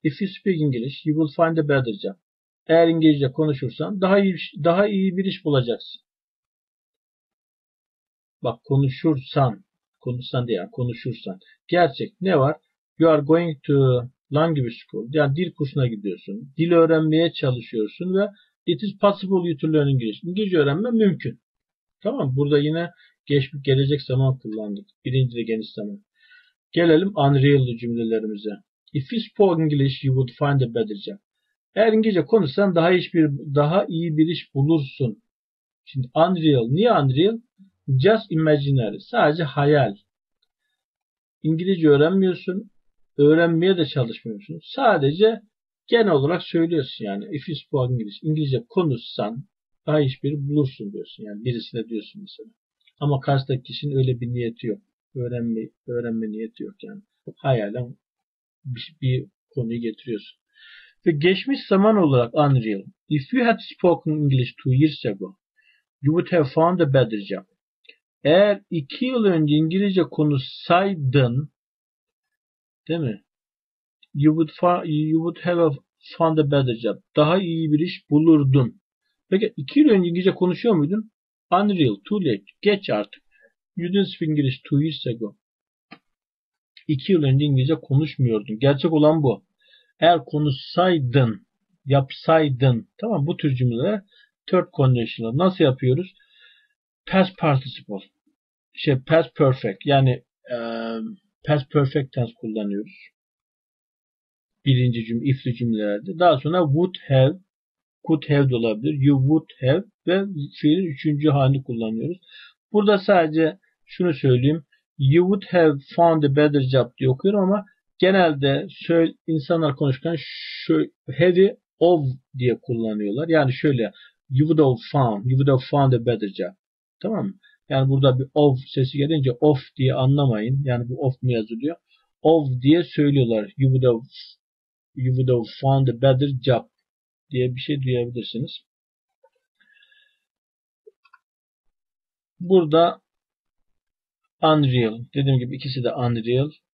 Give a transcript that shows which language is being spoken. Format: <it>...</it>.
<en>If you speak English, you will find a better job.</en> <tr>Eğer İngilizce konuşursan daha iyi bir iş bulacaksın. Bak konuşsan diye konuşursan. Gerçek ne var?</tr> <en>You are going to language school.</en> <tr>Yani dil kursuna gidiyorsun. Dil öğrenmeye çalışıyorsun ve</tr> <en>it is possible you to learn English.</en> <tr>İngilizce öğrenmen mümkün. Tamam mı? Burada yine Geçmiş gelecek zaman kullandık. Birinci de geniş zaman. Gelelim Unreal'lı cümlelerimize.</tr> <en>If you spoke English, you would find a better job.</en> <tr>Eğer İngilizce konuşsan daha iyi bir iş bulursun. Şimdi Unreal. Niye Unreal?</tr> <en>Just imaginary.</en> <tr>Sadece hayal. İngilizce öğrenmiyorsun. Öğrenmeye de çalışmıyorsun. Sadece genel olarak söylüyorsun yani.</tr> <en>If you spoke English.</en> <tr>İngilizce konuşsan daha iyi bir bulursun diyorsun. Yani birisine diyorsun mesela. Ama karşıdaki kişinin öyle bir niyeti yok. Öğrenme niyeti yok yani. Hayalen bir konuyu getiriyorsun. Ve geçmiş zaman olarak unreal.</tr> <en>If you had spoken English 2 years ago, you would have found a better job.</en> <tr>Eğer 2 yıl önce İngilizce konuşsaydın, değil mi?</tr> <en>You would have found a better job.</en> <tr>Daha iyi bir iş bulurdun. Peki 2 yıl önce İngilizce konuşuyor muydun? Unreal,</tr> <en>too late.</en> <tr>Geç artık.</tr> <en>You didn't speak English 2 years ago.</en> <tr>2 yıl önce İngilizce konuşmuyordun. Gerçek olan bu. Eğer konuşsaydın, yapsaydın, tamam, bu tür cümlelere third conditional. Nasıl yapıyoruz? Past participle. Şey, past perfect. Yani past perfect tense kullanıyoruz. Birinci cümle, ifli cümlelerde. Daha sonra would have, could have de olabilir.</tr> <en>You would have</en> <tr>ve fiilin üçüncü halini kullanıyoruz. Burada sadece şunu söyleyeyim.</tr> <en>You would have found a better job</en> <tr>diye okuyorum ama genelde insanlar konuşurken şu have'i of diye kullanıyorlar. Yani şöyle</tr> <en>you would have found a better job.</en> <tr>Tamam mı? Yani burada bir of sesi gelince of diye anlamayın. Yani bu of mu yazılıyor? Of diye söylüyorlar.</tr> <en>You would have found a better job</en> <tr>diye bir şey duyabilirsiniz. Burada Unreal. Dediğim gibi ikisi de Unreal.</tr>